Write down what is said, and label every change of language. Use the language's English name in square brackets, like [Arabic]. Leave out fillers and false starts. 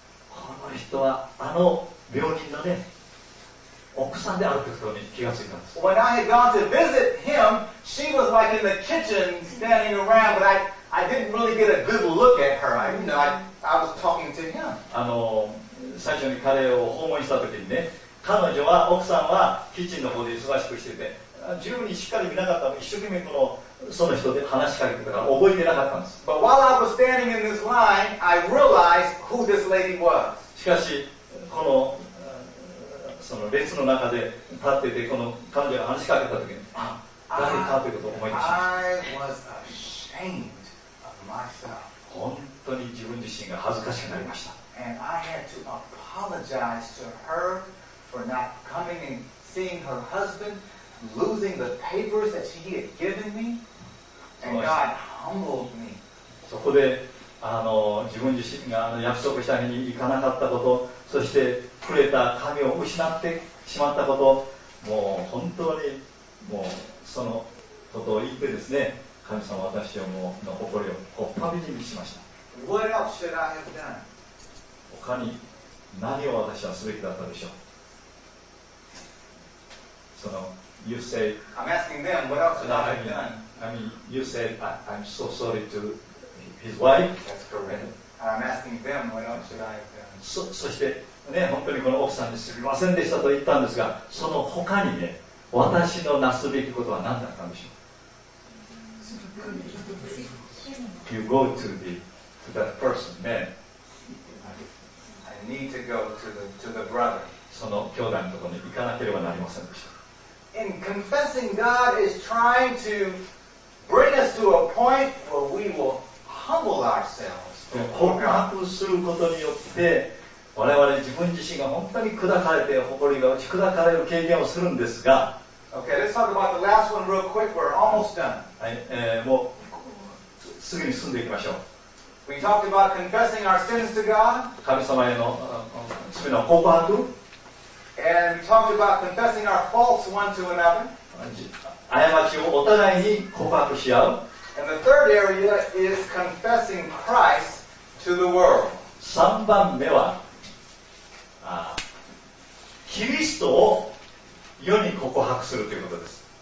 [Japanese] この人はあの病人のね、奥さんであるということに気がついたんです。 [English] When I had gone to visit him, she was like in the kitchen standing around, but I didn't really get a good look at her. I was talking to him. [Japanese] 最初に彼を訪問した時にね、彼女は奥さんはキッチンの方で忙しくしてて、自分にしっかり見なかったの、一生懸命このその人で話しかけてたから覚えてなかったんです。 [English] But while I was standing in this line, I realized who this lady was. [Japanese] しかしこのその列の中で立っててこの彼女が話しかけた時に、あ、誰かということを思い出しました。 [English] I was ashamed of myself. [Japanese] 本当に自分自身が恥ずかしくなりました。 [English] And I had to apologize to her for not coming and seeing her husband, losing the papers that she had given me, and God humbled me. [Japanese] そこで自分自身が約束した日に行かなかったこと、そしてくれた紙を失ってしまったこと、もう本当にもうそのことを言ってですね、神様は私をもうの誇りをこっぱみじみしました。 [English] What else should I have done? [Japanese] 他に何を私はすべきだったでしょう。 [English] その You said I'm asking them what else should I have done. I mean you said I'm so sorry toHis wife. That's correct. I'm asking them what else should I have done. [Japanese] そしてね、本当にこの奥さんにすみませんでしたと言ったんですが、その他にね、私のなすべきことは何だったんでしょう。 [English] You go to that person, man. I need to go to the brother. [Japanese] その兄弟のところに行かなければなりませんでした。 [English] In confessing, God is trying to bring us to a point where we will. Humble ourselves. [Japanese] 告白することによって我々自分自身が本当に砕かれて誇りが打ち砕かれる経験をするんですが、 [English] Okay, let's talk about the last one real quick. We're almost done. [Japanese] はい、もうすぐに進んでいきましょう。 [English] We talked about confessing our sins to God. [Japanese] 神様への罪の告白。 [English] And we talked about confessing our faults one to another. [Japanese] 過ちをお互いに告白し合う。 [English] And the third area is confessing Christ to the world. [Japanese] 三番目は、キリストを世に告白するということです。